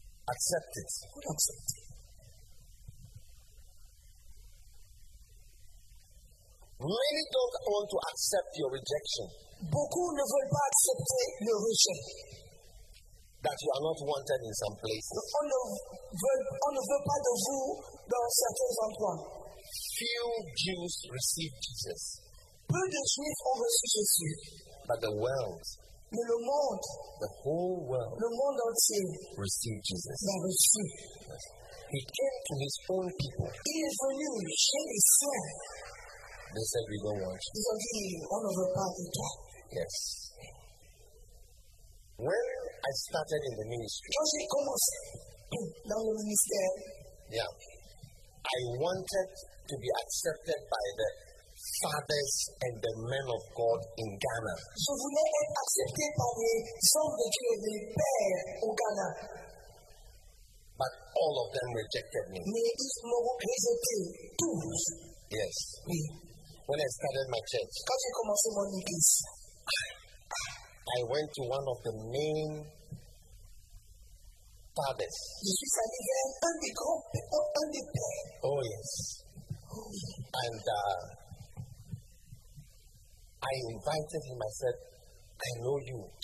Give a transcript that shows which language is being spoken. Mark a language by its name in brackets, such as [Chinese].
[English] Accept it. [French] Faut l'accepter. [English] Many don't want to accept your rejection. [French] Beaucoup ne veulent pas accepter le rejet. [English] That you are not wanted in some places. [French] On ne veut pas de vous dans certains endroits. [English] Few Jews received Jesus. [French] Peu de Juifs ont reçu Jésus. [English] But the world. [French] Mais le monde. [English] The whole world. [French] Le monde entier. [English] Received Jesus. [French] L'a reçu. [English] He came to his own people. [French] Il est venu chez les siens. [English] They said, "We don't want you." [French] Ils ont dit, on ne veut pas de toi. [English] Yes. When I started in the ministry. [French] Quand j'ai commencé dans le ministère. [English] Yeah. I wanted to be accepted by the fathers and the men of God in Ghana. [French] Je voulais être accepté par les hommes de Dieu, les pères au Ghana. [English] But all of them rejected me. [French] Mais ils m'ont rejeté tous. [English] Yes. [French] Oui. [English] When I started my church. [French] Quand j'ai commencé mon église. [English] I went to one of the main fathers. [French] Je suis allé vers un des grands, un des pères. [English] Oh yes. And I invited him. I said, "I know you."